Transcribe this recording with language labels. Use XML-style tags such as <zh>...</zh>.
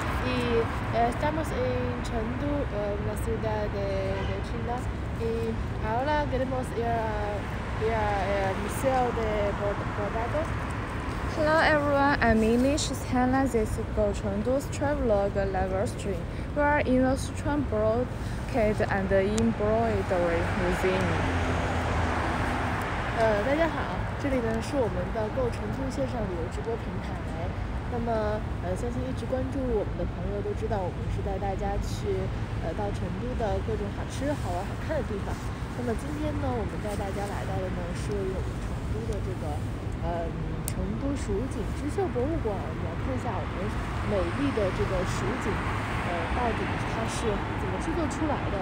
<es>Y estamos en Chengdu, una ciudad de China. Y ahora queremos ir al Museo de Bordado.</es> <en>Hello everyone, I'm Mimi, she's Hannah, this is Go Chengdu's travelog live stream. We are in the Sichuan Brocade and Embroidery Museum.</en> <zh>大家好，这里呢是我们的 Go Chengdu 线上旅游直播平台。那么相信一直关注我们的朋友都知道，我们是带大家去到成都的各种好吃好玩好看的地方。那么今天呢，我们带大家来到的呢是我们成都的这个成都蜀锦织绣博物馆，我们来看一下我们美丽的这个蜀锦，到底它是怎么制作出来的？</zh>